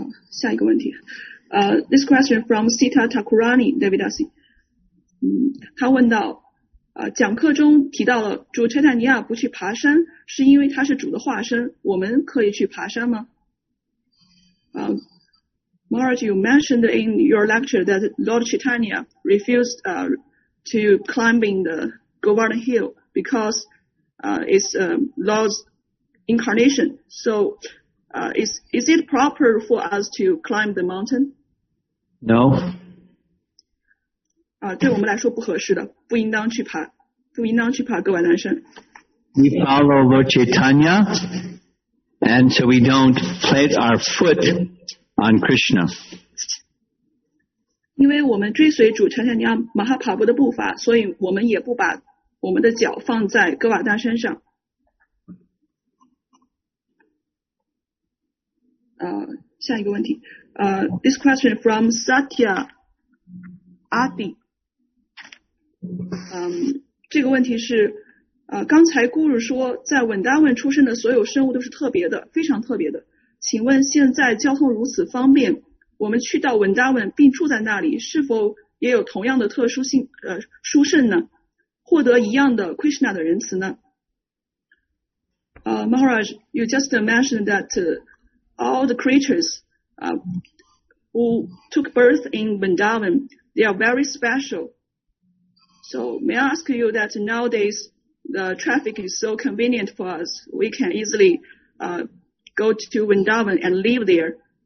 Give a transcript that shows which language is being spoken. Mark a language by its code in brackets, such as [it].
[zh] 下一个问题。 [en] This question from Sita Takurani, Devidasi. [zh] 他问到讲课中提到了主柴坦尼亚不去爬山是因为他是主的化身，我们可以去爬山吗？ [en] Maharaj, you mentioned in your lecture that Lord Chaitanya refused to climb in the Govardhan Hill because it's Lord's incarnation. So is it proper for us to climb the mountain? No. [zh] 对我们来说不合适的，不应当去爬，不应当去爬格瓦兰山。 [en] We follow Lord Chaitanya, and so we don't plant our foot on Krishna. [zh] 因为我们追随主柴坦尼亚马哈帕布的步伐，所以我们也不把我们的脚放在格瓦兰山上。下一个问题。 [en] This question from Satya Adi. [zh] 这个问题是刚才咕噜说在稳达文出生的所有生物都是特别的，非常特别的。请问现在交通如此方便，我们去到稳达文并住在那里，是否也有同样的特殊性殊胜呢？获得一样的 Krishna 的仁慈呢？ [en] Maharaj, you just mentioned that all the creatures who took birth in Vrindavan, they are very special. So may I ask you that nowadays the traffic is so convenient for us, we can easily go to Vrindavan and live there.